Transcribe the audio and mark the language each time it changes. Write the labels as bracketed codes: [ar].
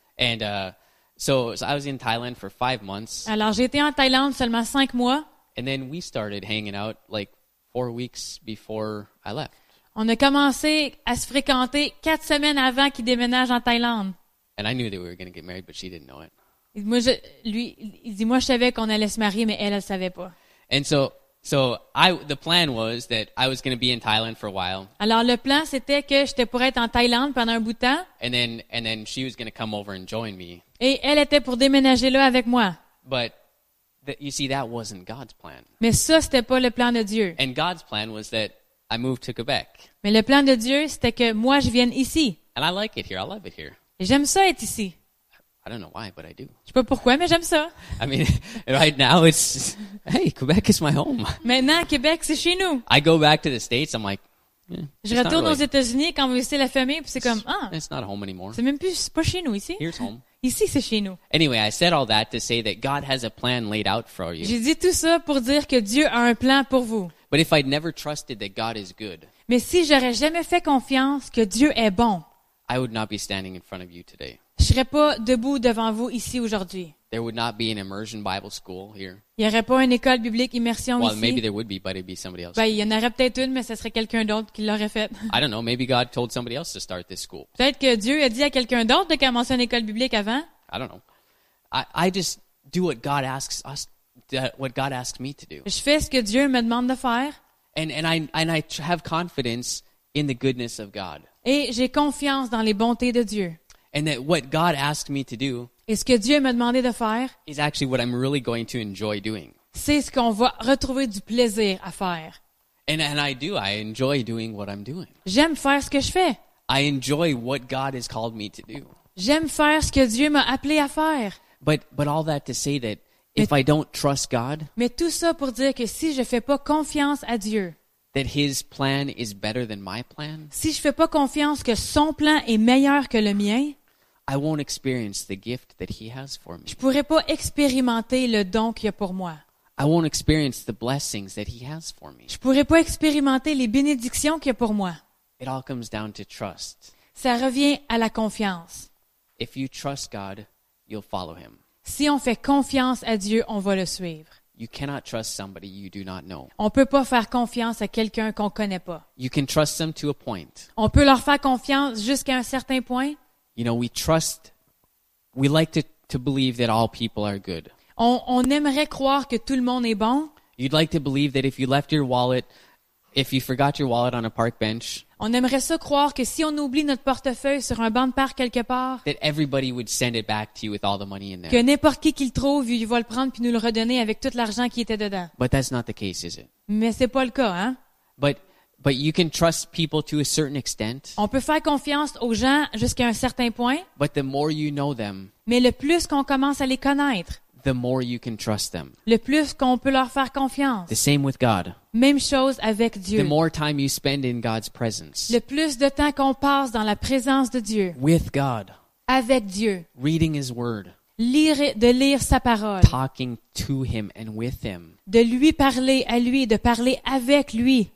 [en] And so I was in Thailand for 5 months. [fr] Alors j'étais en Thaïlande seulement 5 mois. [en] And then we started hanging out like 4 weeks before I left. [fr] On a commencé à se fréquenter 4 semaines avant qu'il déménage en Thaïlande. [en] And I knew that we were going to get married, but she didn't know it. [fr] Il dit, moi, je savais qu'on allait se marier, mais elle savait pas. [en] And so the plan was that I was going to be in Thailand for a while. [fr] Alors le plan c'était que j'étais pour être en Thaïlande pendant un bout de temps. [en] And then she was going to come over and join me. [fr] Et elle était pour déménager là avec moi. [en] But you see, that wasn't God's plan. [fr] Mais ça, c'était pas le plan de Dieu. [en] And God's plan was that I moved to Quebec. [fr] Mais le plan de Dieu, c'était que moi, je vienne ici. [en] And I like it here. I love it here. [fr] Et j'aime ça être ici. [en] I don't know why, but I do. [fr] Je sais pas pourquoi, mais j'aime ça. [en] I mean, right now, it's hey, Quebec is my home. [fr] Maintenant, Québec, c'est chez nous. [en] I go back to the States, I'm like, [fr] je retourne aux États-Unis quand vous visitez la famille, puis c'est comme, ah, [en] it's not home anymore. [fr] C'est même plus, c'est pas chez nous ici. [en] Here's home. [fr] Ici, c'est chez nous. [en] Anyway, I said all that to say that God has a plan laid out for you. [fr] J'ai dit tout ça pour dire que Dieu a un plan pour vous. [en] But if I'd never trusted that God is good, [fr] mais si j'aurais jamais fait confiance que Dieu est bon, [en] I would not be standing in front of you today. [fr] Je serais pas debout devant vous ici aujourd'hui. [en] There would not be an immersion Bible school here. [fr] Il y aurait pas une école biblique immersion ici. [en] Well, maybe there would be, but it'd be somebody else. [fr] Ben, il y en aurait peut-être une, mais ce serait quelqu'un d'autre qui l'aurait faite. [en] I don't know. Maybe God told somebody else to start this school. [fr] Peut-être que Dieu a dit à quelqu'un d'autre de commencer une école biblique avant. [en] I don't know. I just do what God asks us, what God asks me to do. [fr] Je fais ce que Dieu me demande de faire. [en] And I have confidence in the goodness of God. [fr] Et j'ai confiance dans les bontés de Dieu. [en] And that what God asked me to do. [fr] Et ce que Dieu m'a demandé de faire, [en] is actually what I'm really going to enjoy doing. [fr] C'est ce qu'on va retrouver du plaisir à faire. [en] And I do. I enjoy doing what I'm doing. [fr] J'aime faire ce que je fais. [en] I enjoy what God has called me to do. [fr] J'aime faire ce que Dieu m'a appelé à faire. [en] But all that to say that if I don't trust God, [fr] mais tout ça pour dire que si je fais pas confiance à Dieu, [en] that His plan is better than my plan, [fr] si je fais pas confiance que son plan est meilleur que le mien, [en] I won't experience the gift that He has for me. [fr] Je pourrai pas expérimenter le don qu'il y a pour moi. [en] I won't experience the blessings that He has for me. [fr] Je pourrai pas expérimenter les bénédictions qu'il y a pour moi. [en] It all comes down to trust. [fr] Ça revient à la confiance. [en] If you trust God, you'll follow Him. [fr] Si on fait confiance à Dieu, on va le suivre. [en] You cannot trust somebody you do not know. [fr] On peut pas faire confiance à quelqu'un qu'on connaît pas. [en] You can trust them to a point. [fr] On peut leur faire confiance jusqu'à un certain point. [en] You know, we trust, we like to believe that all people are good. [fr] On aimerait croire que tout le monde est bon. [en] You'd like to believe that if you left your wallet, if you forgot your wallet on a park bench. [fr] On aimerait se croire que si on oublie notre portefeuille sur un banc de parc quelque part. [en] That everybody would send it back to you with all the money in there. [fr] Que n'importe qui le trouve, il va le prendre puis nous le redonner avec tout l'argent qui était dedans. [en] But that's not the case, is it? [fr] Mais c'est pas le cas, hein? [en] But you can trust people to a certain extent. [fr] On peut faire confiance aux gens jusqu'à un certain point. [en] But the more you know them. [fr] Mais le plus qu'on commence à les connaître. [en] The more you can trust them. [fr] Le plus qu'on peut leur faire confiance. [en] The same with God. [fr] Même chose avec Dieu. [en] The more time you spend in God's presence. [fr] Le plus de temps qu'on passe dans la présence de Dieu. [en] With God. [fr] Avec Dieu. [en] Reading His Word. [fr] De lire sa parole. [en] Talking to Him and with Him. [fr] De lui parler à lui, de parler avec lui.